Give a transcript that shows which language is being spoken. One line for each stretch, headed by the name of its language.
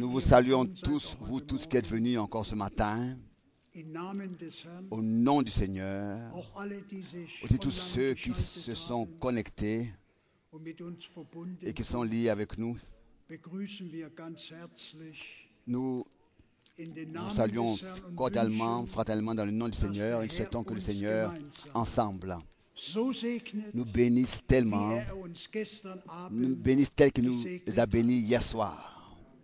French: nous vous saluons tous, vous tous qui êtes venus encore ce matin.
German: In Namen des Herrn,
French: au nom du Seigneur.
German: Auch alle, die sich
French: aussi tous ceux qui se sont connectés
German: und mit uns verbunden,
French: et qui sont liés avec nous.
German: Begrüßen wir ganz herzlich.
French: Nous vous saluons cordialement, fraternellement dans le nom du Seigneur et nous souhaitons que le Seigneur, ensemble, nous bénisse tellement, nous bénisse tel qu'il nous les a bénis hier soir.